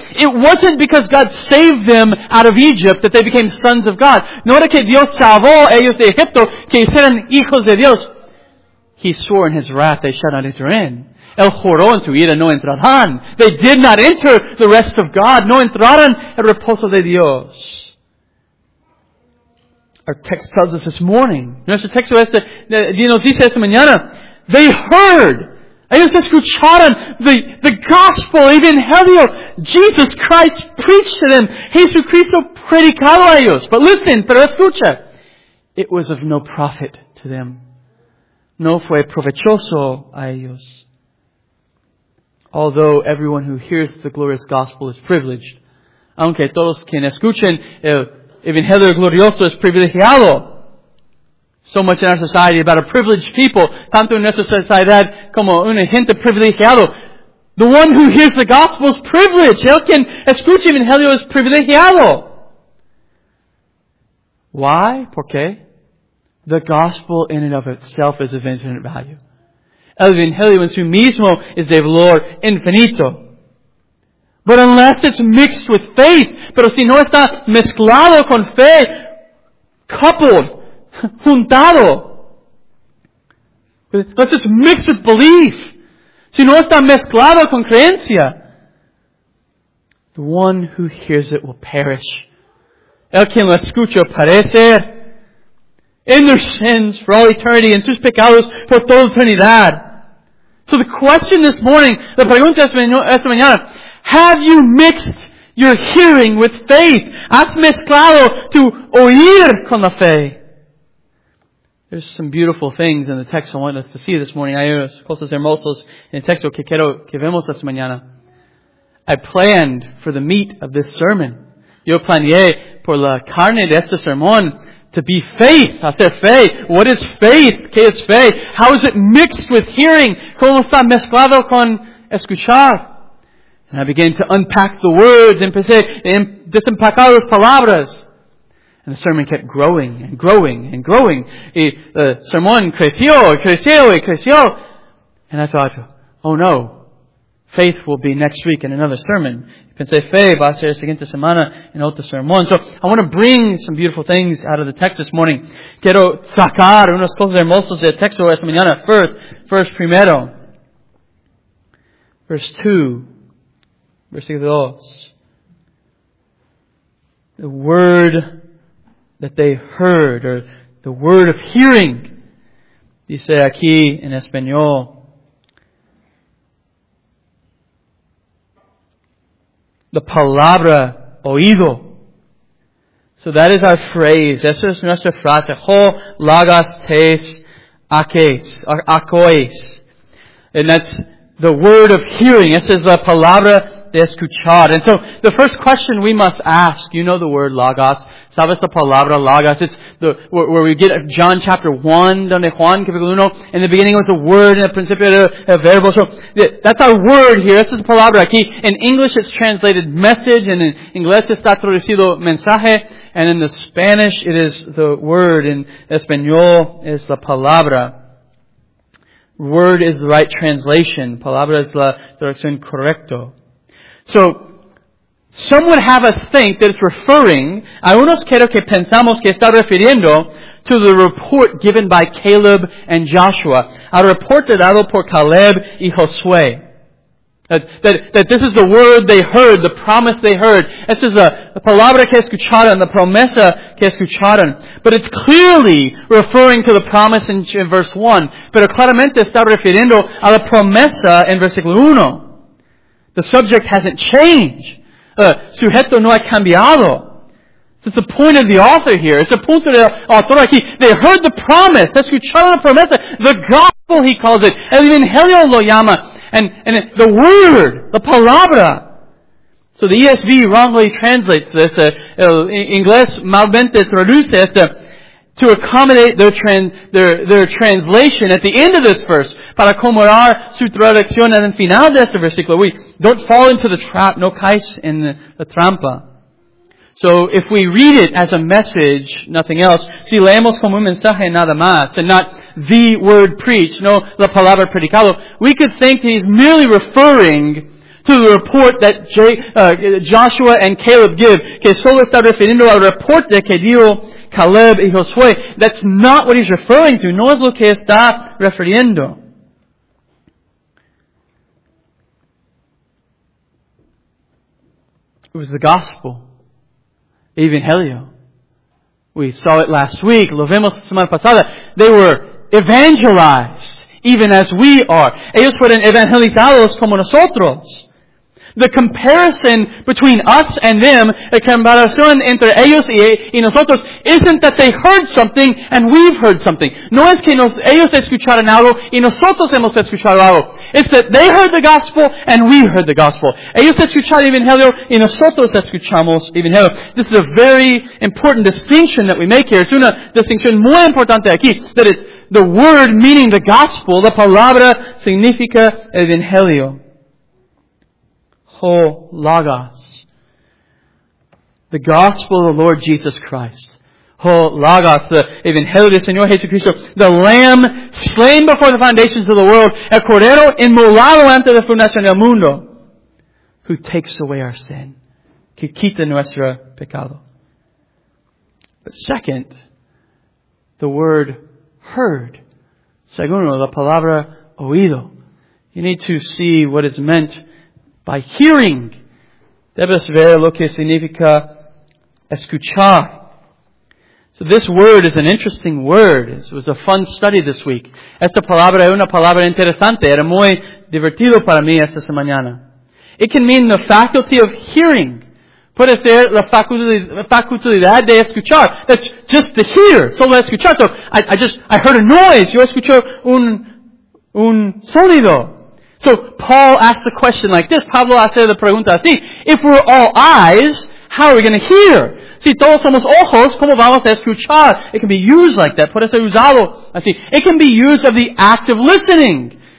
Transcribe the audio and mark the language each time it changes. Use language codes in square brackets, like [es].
[en] It wasn't because God saved them out of Egypt that they became sons of God. [es] No era que Dios salvó ellos de Egipto que hicieran hijos de Dios. [en] He swore in his wrath they shall not enter in. [es] El juró en su ira no entrarán. [en] They did not enter the rest of God. [es] No entrarán el reposo de Dios. [en] Our text tells us this morning. [es] Nuestro texto nos dice esta mañana. [en] They heard. [es] Ellos escucharon [en] the gospel, even Evangelio. Jesus Christ preached to them. [es] Jesucristo predicado a ellos. [en] But listen, [es] pero escucha. [en] It was of no profit to them. [es] No fue provechoso a ellos. [en] Although everyone who hears the glorious gospel is privileged. [es] Aunque todos quienes escuchen el Evangelio glorioso es privilegiado. [en] So much in our society about a privileged people, [es] tanto en nuestra sociedad como una gente privilegiado. [en] The one who hears the gospel is privileged. [es] El quien escucha el Evangelio es privilegiado. [en] Why? [es] ¿Por qué? [en] The gospel in and of itself is of infinite value. [es] El Evangelio en su mismo es de valor infinito. [en] But unless it's mixed with faith, [es] pero si no está mezclado con fe, [en] coupled, [es] juntado, [en] unless it's mixed with belief, [es] si no está mezclado con creencia, [en] the one who hears it will perish. [es] El quien lo escucha perecer. [en] In their sins for all eternity, [es] en sus pecados por toda eternidad. [en] So the question this morning, [es] la pregunta esta mañana, [en] have you mixed your hearing with faith? [es] ¿Has mezclado tu oír con la fe? [en] There's some beautiful things in the text I want us to see this morning. [es] Hay cosas hermosas en el texto que quiero que vemos esta mañana. [en] I planned for the meat of this sermon. [es] Yo planeé por la carne de este sermón [en] to be faith. [es] Hacer fe. What is faith? ¿Qué es fe? [en] How is it mixed with hearing? [es] ¿Cómo está mezclado con escuchar? [en] And I began to unpack the words. [es] Empecé a desempacar las palabras. [en] And the sermon kept growing and growing and growing. [es] Y el sermón creció y creció y creció. [en] And I thought, oh no. Faith will be next week in another sermon. [es] Pensé, fe va a ser siguiente semana en otro sermón. [en] So, I want to bring some beautiful things out of the text this morning. [es] Quiero sacar unas cosas hermosas del texto esta mañana. [en] First, primero. Verse 2. [es] Versículo 2. [en] The word that they heard, or the word of hearing. [es] Dice aquí en español. [en] The [es] palabra oído. [en] So that is our phrase. [es] Esa es nuestra frase. [el] Ho lagas tes akes. Akois. [en] And that's the word of hearing. [es] Esa es la palabra de escuchar. [en] And so the first question we must ask, you know the word lagas. [es] Sabes la palabra lagas. [en] It's the where we get John chapter 1, [es] donde Juan, capítulo 1. [en] In the beginning it was a word, in the [es] principio era el verbo. [en] So that's our word here. [es] Esa es la palabra aquí. [en] In English it's translated message, and in inglés [es] está traducido mensaje, [en] and in the Spanish it is the word. [es] In español es la palabra. [en] Word is the right translation. [es] Palabra es la traducción correcto. [en] So, some would have us think that it's referring, [es] algunos quiero que pensamos que está refiriendo [en] to the report given by Caleb and Joshua. [es] A reporte dado por Caleb y Josué. [en] That this is the word they heard, the promise they heard. This is [es] la palabra que escucharon, the promesa que escucharon. [en] But it's clearly referring to the promise in verse 1. [es] Pero claramente está refiriendo a la promesa en versículo 1. [en] The subject hasn't changed. [es] Sujeto no ha cambiado. [en] So it's the point of the author here. It's the point of the author. They heard the promise. [es] Escucharon la promesa. [en] The gospel, he calls it. [es] El evangelio lo llama. [en] And the word, [es] the palabra. [en] So the ESV wrongly translates this. [es] Inglés malmente traduce esto [en] to accommodate their translation at the end of this verse. [es] Para acomodar su traducción en el final de este versículo. [en] We don't fall into the trap. [es] No caes en la trampa. [en] So if we read it as a message, nothing else. [es] Si leemos como un mensaje nada más. [en] And not the word preached. [es] No, la palabra predicado. [en] We could think he's merely referring to the report that Joshua and Caleb give. [es] Que solo está refiriendo al reporte que dio Caleb y Josué. [en] That's not what he's referring to. [es] No es lo que está refiriendo. [en] It was the gospel. Evangelio. We saw it last week. [es] Lo vemos la semana pasada. [en] They were evangelized, even as we are. [es] Ellos fueron evangelizados como nosotros. [en] The comparison between us and them, [es] la comparación entre ellos y nosotros, [en] isn't that they heard something and we've heard something. [es] No es que ellos escucharon algo y nosotros hemos escuchado algo. [en] It's that they heard the gospel and we heard the gospel. [es] Ellos escucharon evangelio y nosotros escuchamos evangelio. [en] This is a very important distinction that we make here. [es] Es una distinción muy importante aquí. [en] That it's the word meaning the gospel, [es] la palabra significa evangelio. [el] Ho Logos. [en] The gospel of the Lord Jesus Christ. Ho Logos. The [es] Evangelio del Señor Jesucristo. [en] The Lamb slain before the foundations of the world. [es] El Cordero inmolado ante la fundación del mundo. [en] Who takes away our sin. [es] Que quita nuestro pecado. [en] But second, the word heard. [es] Segundo, la palabra oído. [en] You need to see what is meant by hearing. [es] Debes ver lo que significa escuchar. [en] So this word is an interesting word. It was a fun study this week. [es] Esta palabra es una palabra interesante. Era muy divertido para mí esta mañana. [en] It can mean the faculty of hearing. [es] Puede ser la facultad de escuchar. [en] That's just to hear. [es] Solo escuchar. [en] So I heard a noise. [es] Yo escucho un sonido. [en] So Paul asked the question like this. [es] Pablo hace la pregunta así. [en] If we're all eyes, how are we going to hear? [es] Si todos somos ojos, ¿cómo vamos a escuchar? [en] It can be used like that. [es] Puede ser usado así. [en] It can be used of the act of listening.